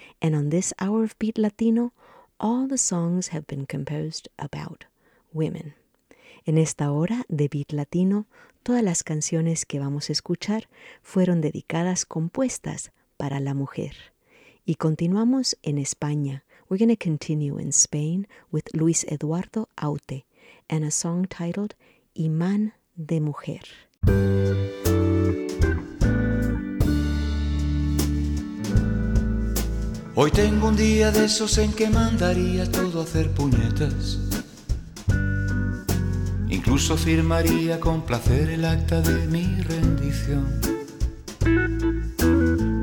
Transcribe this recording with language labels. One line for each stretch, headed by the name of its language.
English: And on this hour of Beat Latino, all the songs have been composed about women.
Spanish: En esta hora de Beat Latino, todas las canciones que vamos a escuchar fueron dedicadas, compuestas para la mujer. Y continuamos en España.
English: We're going to continue in Spain with Luis Eduardo Aute and a song titled Imán de Mujer.
Spanish: Hoy tengo un día de esos en que mandaría todo a hacer puñetas. Incluso firmaría con placer el acta de mi rendición.